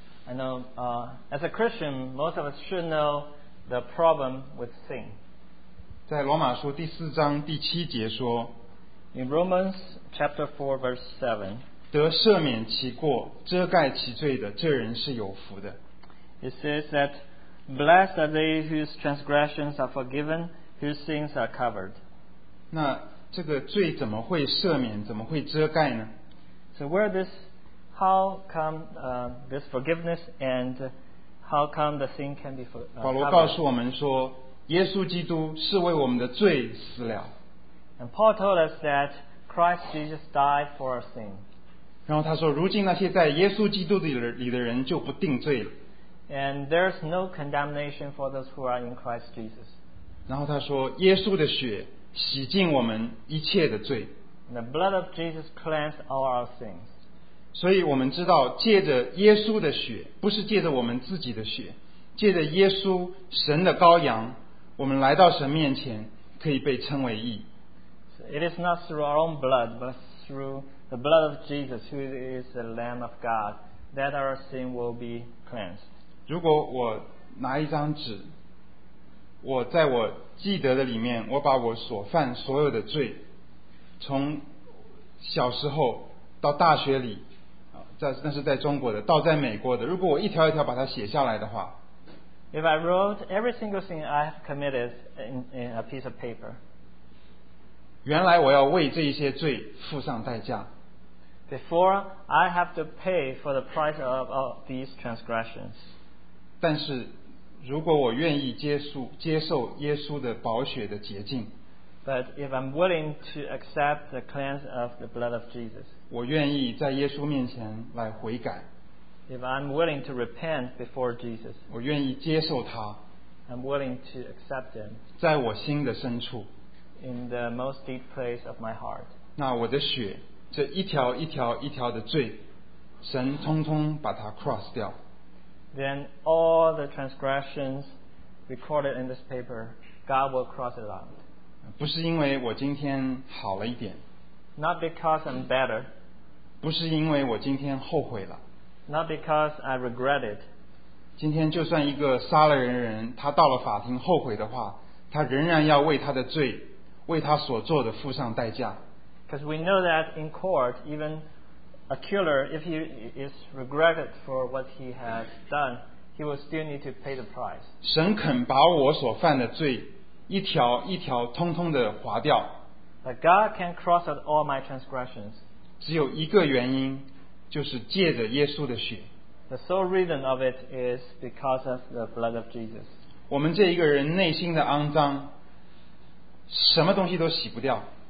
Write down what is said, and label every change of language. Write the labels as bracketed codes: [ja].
[en] I know, as a Christian, most of us should know the problem with sin. [zh] 在罗马书第四章第七节说 [en] ，In Romans chapter 4 verse 7, [zh] 得赦免其过、遮盖其罪的，这人是有福的。 [en] It says that, blessed are they whose transgressions are forgiven, whose sins are covered. [zh] 那这个罪怎么会赦免，怎么会遮盖呢 [en] ？So where this, how come this forgiveness and how come the sin can be forgiven? [zh] 保罗告诉我们说，耶稣基督是为我们的罪死了。 [en] And Paul told us that Christ Jesus died for our sin. [zh] 然后他说，如今那些在耶稣基督里的人就不定罪了。 [en] And there's no condemnation for those who are in Christ Jesus. [zh] 然后他说，耶稣的血洗净我们一切的罪。 [en] The blood of Jesus cleansed all our sins. [zh] 所以我们知道，借着耶稣的血，不是借着我们自己的血，借着耶稣神的羔羊，我们来到神面前，可以被称为义。 [en] So、it is not through our own blood, but through the blood of Jesus, who is the Lamb of God, that our sin will be cleansed. [zh] 如果我拿一张纸。我在我记得的里面，我把我所犯所有的罪，从小时候到大学里，那是在中国的，到在美国的。如果我一条一条把它写下来的话 [en] ，If I wrote every single thing I have committed in a piece of paper， [zh] 原来我要为这一些罪付上代价。 [en] Before I have to pay for the price of all these transgressions， [zh] 但是。如果我愿意接受耶稣的宝血的洁净 [en] ，But if I'm willing to accept the cleanse of the blood of Jesus， [zh] 我愿意在耶稣面前来悔改 [en] ，If I'm willing to repent before Jesus， [zh] 我愿意接受他 [en] ，I'm willing to accept him， [zh] 在我心的深处 [en] ，In the most deep place of my heart， [zh] 那我的血这一条一条一条的罪，神通通把它 cross 掉。 [en] Then all the transgressions recorded in this paper, God will cross it out. [zh] 不是因为我今天好了一点。 [en] Not because I'm better. [zh] 不是因为我今天后悔了。 [en] Not because I regret it. [zh] 今天就算一个杀了人，他到了法庭后悔的话，他仍然要为他的罪，为他所做的付上代价。 [en] Because we know that in court, even A killer, if he is regretted for what he has done, he will still need to pay the price. [zh] 神肯把我所犯的罪一条一条通通的划掉。 [en] But God can cross out all my transgressions. [zh] 只有一个原因，就是借着耶稣的血。 [en] The sole reason of it is because of the blood of Jesus. [zh] 我们这一个人内心的肮脏，什么东西都洗不掉。